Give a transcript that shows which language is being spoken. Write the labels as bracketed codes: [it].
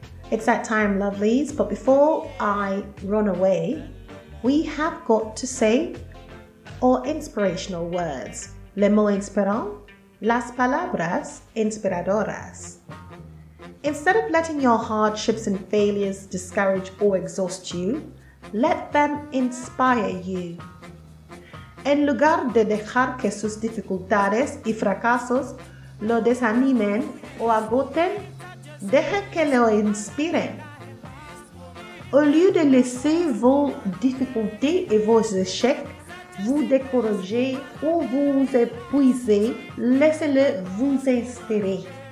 [en] It's that time, lovelies, but before I run away, we have got to say our inspirational words. [fr] Le mot inspirant, [es] las palabras inspiradoras. [en] Instead of letting your hardships and failures discourage or exhaust you, let them inspire you. [es] En lugar de dejar que sus dificultades y fracasos lo desanimen o agoten, deje que lo inspiren. [fr] Au lieu de laisser vos difficultés et vos échecs vous décourager ou vous épuiser, laissez-le vous inspirer.